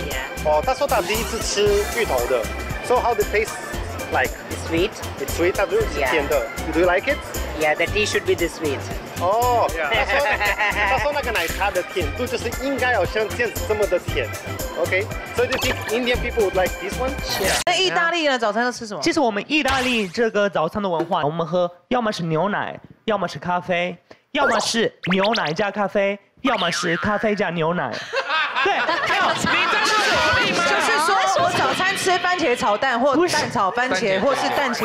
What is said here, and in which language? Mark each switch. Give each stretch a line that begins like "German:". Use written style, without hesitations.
English: Yeah.
Chinese: 哦，他说他第一次吃芋头的。
English: So how the taste like? It's sweet. It's sweet.
Chinese: 它就是甜的。
English: Yeah. Do you like it? Yeah, the tea should be this sweet.
Chinese: 他说那个奶茶的甜度就是应该要像这样子这么的甜 ，OK？
English: So do you think Indian people would like this one？ Yeah。
Chinese: 那意大利的早餐要吃什么？其实我们意大利这个早餐的文化，我们喝要么是牛奶，要么是咖啡，要么是牛奶加咖啡，要么是咖啡加牛奶。对，还有你在这里吗？吃番茄炒蛋，或蛋炒番茄，或是蛋茄